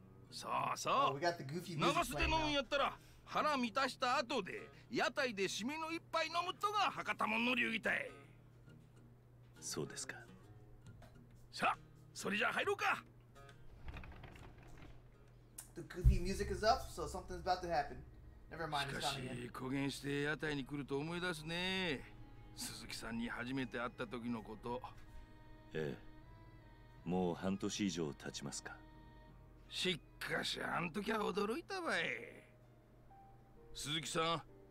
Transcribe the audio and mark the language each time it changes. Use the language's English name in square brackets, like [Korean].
[Japanese] そうそう。長洲で飲むんやったら腹満たした後で屋台で締めの一杯飲むとが博多もんの流儀たい。そうですか。さあ、それじゃあ入ろうか。 [English] The goofy music is up, so something's about to happen. Never mind. [Japanese] しかし、こげんして屋台に来ると思い出すね。鈴木さんに初めて会った時のこと。ええ。もう半年以上経ちますか。しっかしあん時は驚いたばい。鈴木さん、